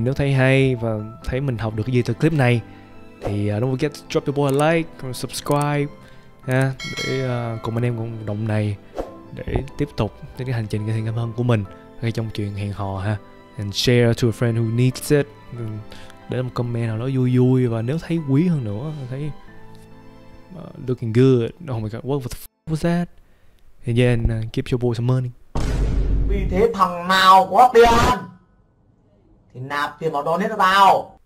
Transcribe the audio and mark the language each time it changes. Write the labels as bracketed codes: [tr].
[vi] Nếu thấy hay và thấy mình học được cái gì từ clip này, thì [en] don't forget to drop your boy a like, subscribe [vi] để cùng anh em cùng đồng này để tiếp tục cái hành trình cái thiện cảm hơn của mình ngay trong chuyện hẹn hò ha. [en] And share to a friend who needs it. [vi] Để một comment nào đó vui vui. Và nếu thấy quý hơn nữa, thấy [en] looking good. Oh my god, what the f*** was that? And then keep your boy some money. [vi] Vì thế thằng nào có tiền thì nạp tiền vào donate cho tao.